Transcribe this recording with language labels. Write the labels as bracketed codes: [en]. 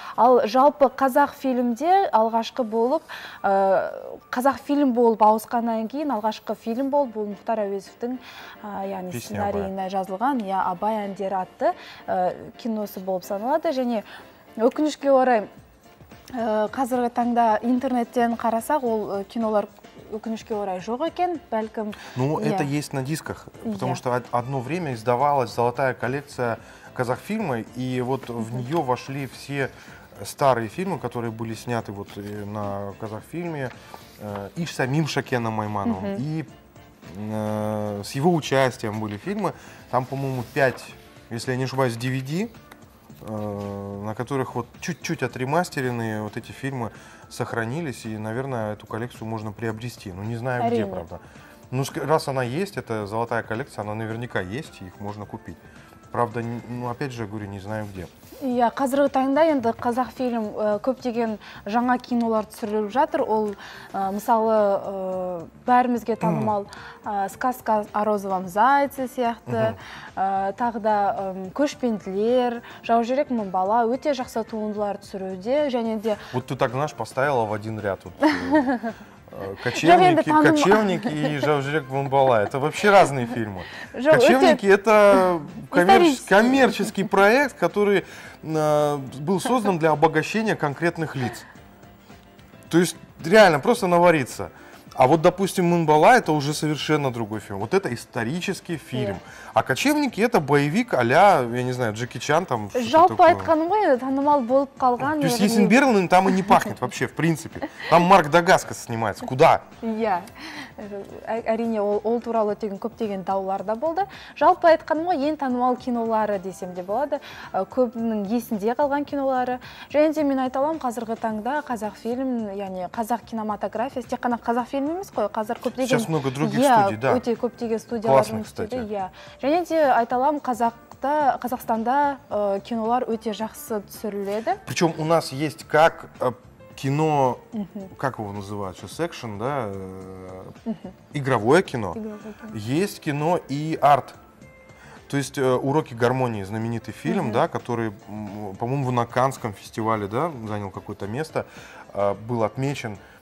[kk] Ал жалпы қазақ фильмде алғашқы болып қазақ фильм болып ауысқаннан кейін алғашқы фильм болып бұл Мұхтар әуезовтің яғни сценарийіне жазылған я Абай әндері атты киносы болып саналады. Және өкінішке орай Қазіргі таңда интернеттен қарасақ, ол кинолар өкінішке орай жоқ екен, бәлкім. [ru] Ну, это есть на дисках, потому что одно время издавалась золотая коллекция Казахфильма, и вот в нее вошли все старые фильмы, которые были сняты вот на Казахфильме, и самим Шакеном Маймановым, и с его участием были фильмы. Там, по-моему, 5, если я не ошибаюсь, DVD, на которых вот чуть-чуть отремастеренные вот эти фильмы сохранились, и, наверное, эту коллекцию можно приобрести. Ну, не знаю, где, правда. Но раз она есть, это золотая коллекция, она наверняка есть, их можно купить. Правда, ну, опять же, говорю, не знаю, где. [kk] Иә, қазіргі таңда енді Қазақфильм көптеген жаңа кинолар түсіріліп жатыр. Ол, мысалы, бәрімізге танымал «Сказка о розовом зайце» сияқты, тағы да «Көшпенділер», «Жаужүрек мыңбала» өте жақсы туындылар түсіруде, және де... [ru] Вот ты так, знаешь, поставила в один ряд. Вот, «Кочевники» и «Жаужүрек мыңбала» — это вообще разные фильмы. «Кочевники» — это коммерческий проект, который был создан для обогащения конкретных лиц. То есть реально просто навариться. А вот, допустим, «Мынбала» — это уже совершенно другой фильм. Вот это исторический фильм. А «Кочевники» — это боевик а-ля, я не знаю, Джеки Чан там. [kk] Жалпы айтқаным ғой, танымал болып қалған. [ru] То есть Есен Берлин там и не пахнет вообще, в принципе. Там Марк Дагаскос снимается. Куда? [kk] Я. Әрине, ол туралы тегін көптеген даулар да болды. Жалпы айтқаным ғой, ең танымал кинолары десем де болады. Көбінің есінде қалған кинолары. Және де мен айталам, қазіргі таңда Қазақфильм, яғни қазақ кинематография, тек қана Қазақфильм емес қой, қазір көптеген. [ru] Сейчас много других студий, да. [kk] Өте көптеген студиялардың студиі, я. Және де айталам, Қазақстанда кинолар өте жақсы түсіріледі. [ru] Причем у нас есть как кино, как его называют сейчас, экшен, да, игровое кино, есть кино и арт. То есть «Уроки гармонии», знаменитый фильм, да, который, по-моему, в Каннском фестивале, да, занял какое-то место, был отмечен.